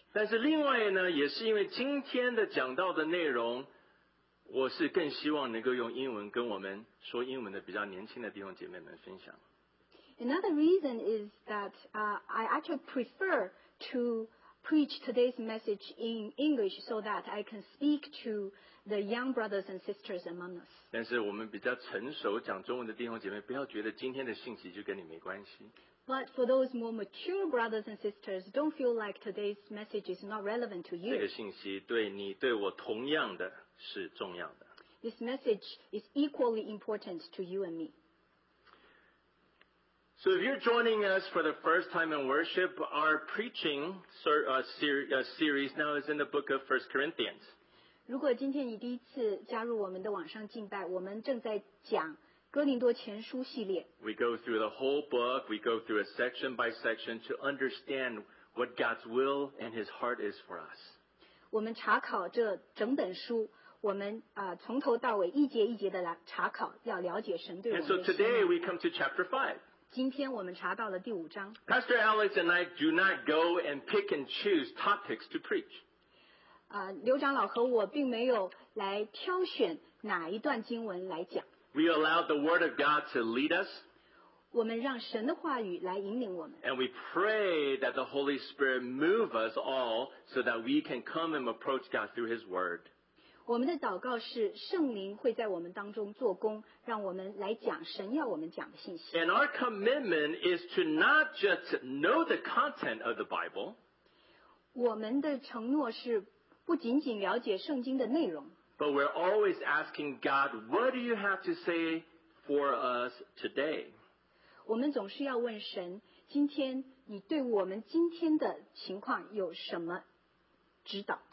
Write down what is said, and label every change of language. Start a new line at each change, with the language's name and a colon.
Chinese: 但是另外呢，也是因为今天的讲到的内容，我是更希望能够用英文跟我们说英文的比较年轻的弟兄姐妹们分享。
English: Another reason is that I actually prefer to preach today's message in English so that I can speak to the young brothers and sisters among us.
Chinese: 但是我们比较成熟讲中文的弟兄姐妹，不要觉得今天的信息就跟你没关系。
English: But for those more mature brothers and sisters, don't feel like today's message is not relevant to you.
Chinese: 这个信息对你对我同样的是重要的。
English: This message is equally important to you and me. So if you're joining us for the first time in worship, our preaching series now is in the book of 1 Corinthians.
Chinese: 如果今天你第一次加入我们的网上敬拜，我们正在讲哥林多前书系列。
English: We go through the whole book, we go through it section by section to understand what God's will and His heart is for us.
Chinese: 我们查考这整本书，我们从头到尾一节一节的来查考，要了解神对我们的
English: 心。And so today we come to chapter 5.
Chinese: 今天我们查到了第五章。
English: Pastor Alex and I do not go and pick and choose topics to preach.
Chinese: 刘长老和我并没有来挑选哪一段经文来讲。
English: We allow the Word of God to lead us.
Chinese: 我们让神的话语来引领我们。
English: And we pray that the Holy Spirit move us all so that we can come and approach God through His Word.
Chinese: 我们的祷告是圣灵会在我们当中做工，让我们来讲神要我们讲的信息。
English: And our commitment is to not just know the content of the Bible.
Chinese: 我们的承诺是不仅仅了解圣经的内容。
English: But we're always asking God, what do you have to say for us today?
Chinese: 我们总是要问神，今天你对我们今天的情况有什么指导？